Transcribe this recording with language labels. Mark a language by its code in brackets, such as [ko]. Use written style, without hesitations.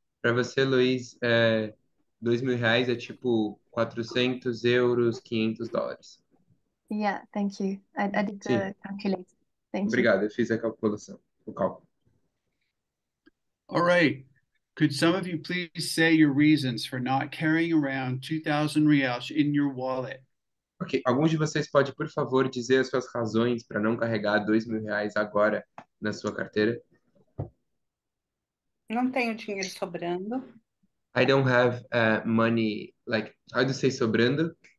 [pt] Para você, Luiz, 2.000 reais é tipo 400 euros, 500 dólares. [en] Yeah, thank you. I did the calculation. Thank [pt] Obrigado, [en] you. [pt] Eu fiz a calculação, o cálculo. [en] All right. Could some of you please say your reasons for not carrying around 2,000 reais in your wallet? [pt] Ok, alguns de vocês podem, por favor, dizer as suas razões para não carregar 2.000 reais agora na sua carteira? Não tenho dinheiro sobrando. [en] I don't have money, like, how do you say sobrando?